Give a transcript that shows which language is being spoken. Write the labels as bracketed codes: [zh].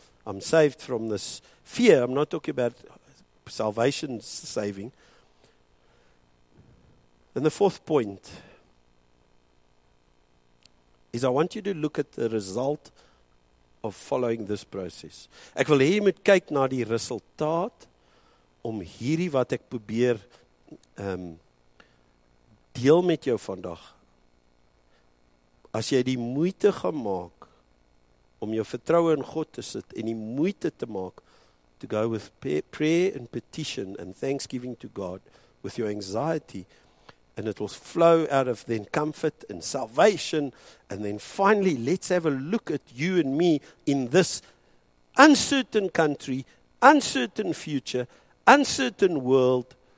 [en] I'm saved from this fear, I'm not talking about salvation saving. And the fourth point, is I want you to look at the result of following this process. [af] Ek wil hê jy moet kyk na die resultaat om hierdie wat ek probeer deel met jou vandag. As jy die moeite gaan maak om jou vertroue in God te sit en die moeite te maak [en] to go with prayer and petition and thanksgiving to God with your anxiety, and it will flow out of then comfort and salvation, and then finally let's have a look at you and me in this uncertain country, uncertain future, uncertain world.